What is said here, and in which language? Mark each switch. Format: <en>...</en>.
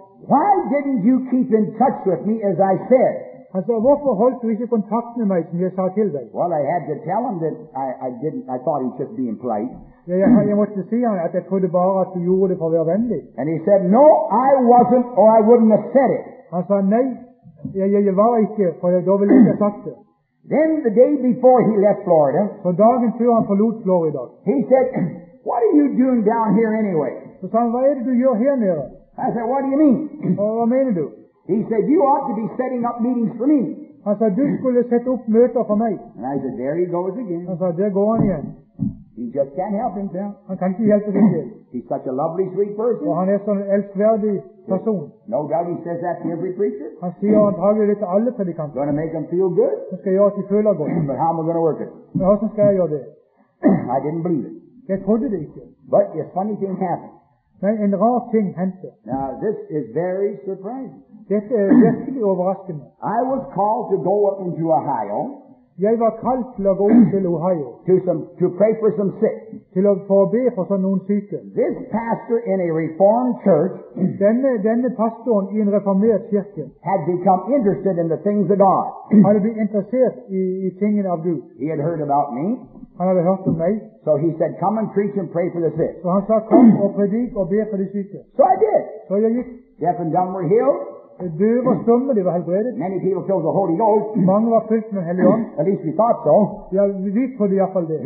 <en>Why didn't you keep in touch with me as I said?</en> <no>Han sa, hvorfor holdt du ikke kontakt med meg som jeg sa til deg?</no> <en>Well, I had to tell him that I thought he was just being polite.</en> <no>Jeg måtte si han at jeg trodde bare at du gjorde det for å være vennlig.</no> <en>And he said, no, I wasn't, or I wouldn't have said it.</en> <no>Han sa, nei, jeg var ikke, for da ville jeg ikke sagt det.</no> <en>Then the day before he left Florida,</en> <no>så dagen før han forlot Florida,</no> <en>he said, what are you doing down here anyway?</en> <no>Så sa han, hva det du gjør her nede?</no> <en>I said, what do you mean?</en> <no>Og hva mener du?</no> <en>He said, you ought to be setting up meetings for me.</en> <no>Han sa, du skulle sette opp møter for meg.</no> <en>And I said, there he goes again.</en> <no>Han sa, der går han igjen.</no> <en>He just can't help himself.</en> <no>Han kan ikke hjelpe seg selv.</no> <en>He's such a lovely, sweet person.</en> <no>Og han sånn en elskverdig person.</no> <en>No doubt he says that to every preacher.</en> <no>Han sier antagelig det til alle predikanter.</no> <en>Gonna make him feel good.</en> <no>Han skal gjøre at de føler godt.</no> <en>But how am I gonna work it?</en> <no>Men hvordan skal jeg gjøre det?</no> <en>I didn't believe it.</en> <no>Jeg trodde det ikke.</no> <en>But a funny thing happened.</en> <no>Men en rar ting hendte.</no> <en>Now this is very surprising.</en> <no>Dette virkelig overraskende.</no> <en>I was called to go up into Ohio.</en> <no>Jeg var kalt til å gå opp til Ohio.</no> <en>To pray for some sick.</en> <no>Til å forbe for sånn noen syke.</no> <en>This pastor in a reformed church.</en> <no>Denne pastoren i en reformert kirke.</no> <en>Had become interested in the things of God.</en> <no>Hadde blitt interessert i tingene av Gud.</no> <en>He had heard about me.</en> <no>Han hadde hørt om meg.</no> <en>So he said, come and preach and pray for the sick.</en> <no>Så han sa, kom og predik og be for de syke.</no> <en>So I did.</en> <no>Så jeg gikk.</no> <en>Deaf and dumb were healed.</en> <no>Døve og stumme, de var helbredet.</no> <en>Many people filled the Holy Ghost.</en> <no>Mange var fylt med Hellig Ånd.</no> <en>At least we thought so.</en> <no>Ja, vi trodde i hvert fall det.</no>